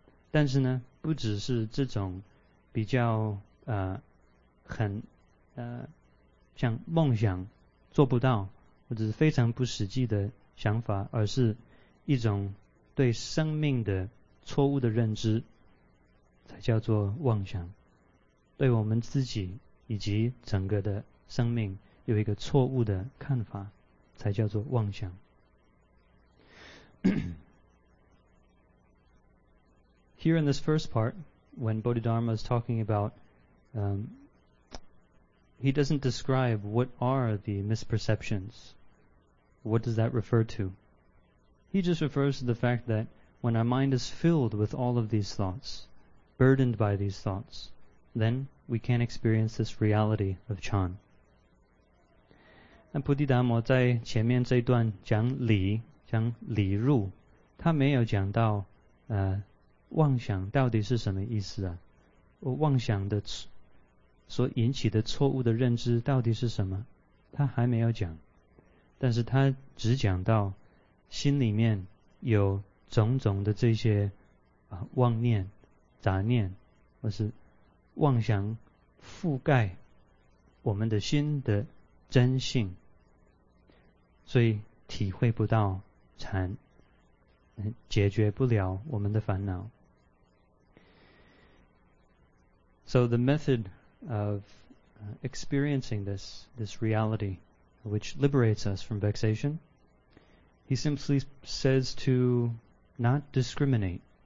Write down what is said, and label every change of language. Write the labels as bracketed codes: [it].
[zh] 但是呢，不只是这种比较像梦想做不到，或者是非常不实际的想法，而是一种对生命的错误的认知，才叫做妄想，对我们自己以及整个的生命有一个错误的看法，才叫做妄想。 [en] Here in this first part, when Bodhidharma is talking about, he doesn't describe what are the misperceptions. What does that refer to? He just refers to the fact that when our mind is filled with all of these thoughts, burdened by these thoughts, then we can't experience this reality of chan. [zh] 那菩提达摩在前面这一段讲理入，他没有讲到妄想到底是什么意思啊？我妄想的所引起的错误的认知到底是什么？他还没有讲，但是他只讲到心里面有种种的这些妄念、杂念，或是妄想覆盖我们的心的真性，所以体会不到禅，解决不了我们的烦恼。 [en] So the method of experiencing this reality, which liberates us from vexation, he simply says to not discriminate.